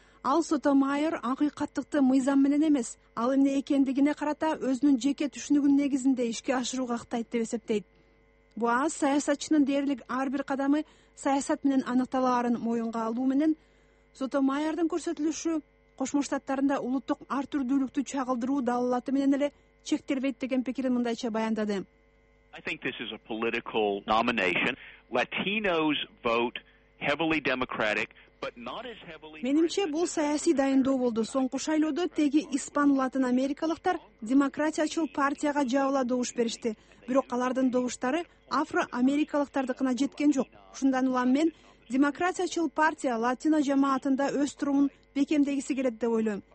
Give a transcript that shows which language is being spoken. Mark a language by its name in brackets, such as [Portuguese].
[Kyrgyz] Ал Сотомайор акыйкаттыкты мыйзам менен эмес, ал эмне экендигине карата өзүнүн жеке түшүнүгүнүн негизинде ишке ашырууга ыктайт деп эсептейт. Боас саясатчынын дээрлик ар бир кадамы саясат менен аныкталаарын моюнга алуу менен Сотомайордун көрсөтүлүшү Кошмо Штаттарында улуттук ар түрдүүлүктү чагылдыруу далалаты менен эле чектербейт деген пикирин мындайча баяндады. [English] I think this is a political nomination. Latinos vote heavily democratic. [Kyrgyz] Менимче бул саясий дайындоо болду. Соңку шайлоодо теги испан латын америкалыктар демократиячыл партияга жабыла добуш беришти. Бирок алардын добуштары афроамерикалыктардыкына жеткен жок. Ушундан улам мен демократиячыл партия латино жамаатында өз турумун бекемдегиси келет деп ойлойм.